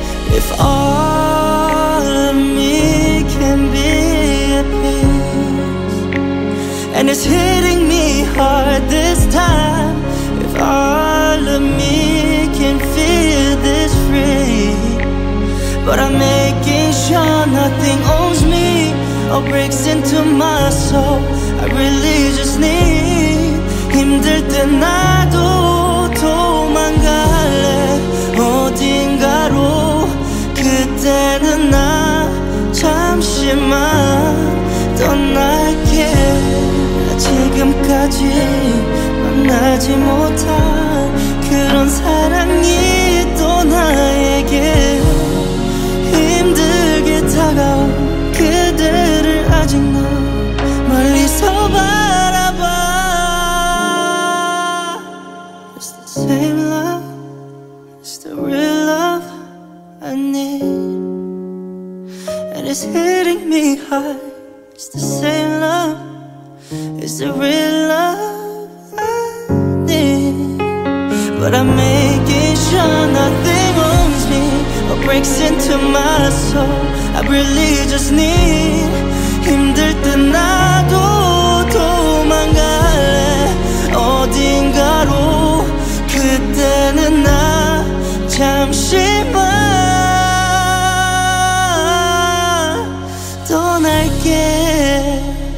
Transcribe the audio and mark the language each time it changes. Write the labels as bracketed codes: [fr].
[en] If all of me can be at peace, and it's hitting me hard this time. If all of me can feel this free, but I'm making sure nothing owns me or breaks into my soul. I really just need. [ko] 힘들 때 나도 도망갈래 어딘가로. 그때는 나 잠시만 떠날게. 지금까지 만나지 못한 그런 사랑이 또 나에게 힘들게 다가온 그대를 아직 너 멀리서 바라봐. [en] It's the same love, it's the real love I need, and it's hitting me hard. It's the same love, it's the real love I need. But I'm making sure nothing owns me or breaks into my soul. I really just need. [ko] 힘들 때 나도 도망갈래 어딘가로. 그때는 나 잠시만 떠날게.